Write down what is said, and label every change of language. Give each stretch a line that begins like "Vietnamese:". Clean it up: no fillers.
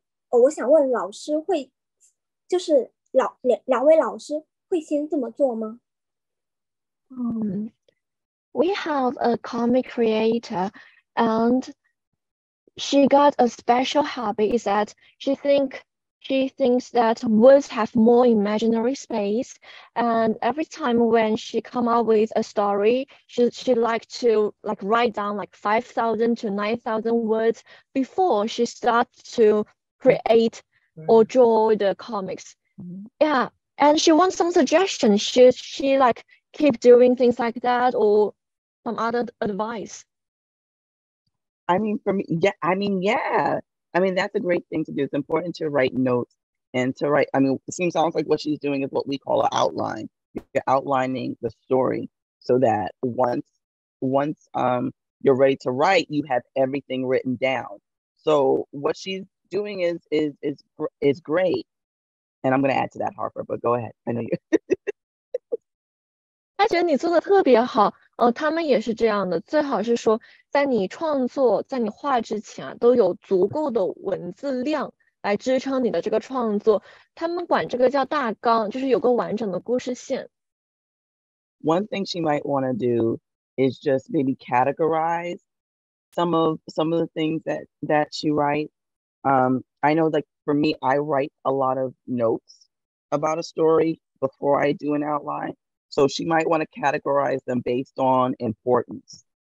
Chinese: 我想问老师会，就是两位老师会先这么做吗？
English: We have a comic creator, and she got a special hobby is that she thinks that words have more imaginary space, and every time when she come up with a story, she like to like write down like 5,000 to 9,000 words before she starts to create or draw the comics. Yeah, and she wants some suggestions. She like keep doing things like that or some other advice. I mean, for me, yeah. I mean, yeah. I mean, that's a great thing to do. It's important to write notes and to write. I mean, it seems almost like what she's doing is what we call an outline. You're outlining the story so that once you're ready to write, you have everything written down. So what she's doing is great, and I'm going to add to that, Harper. But go ahead. I know you.
Chinese: 他觉得你做的特别好。他们也是这样的，最好是说在你创作在你画之前、啊、都有足够的文字量来支撑你的这个创作，他们管这个叫大纲，就是有个完整的故事线。
English: One thing she might want to do is just maybe categorize some of the things that she writes. I know that for me, I write a lot of notes about a story before I do an outline. So she might want to categorize them based on importance.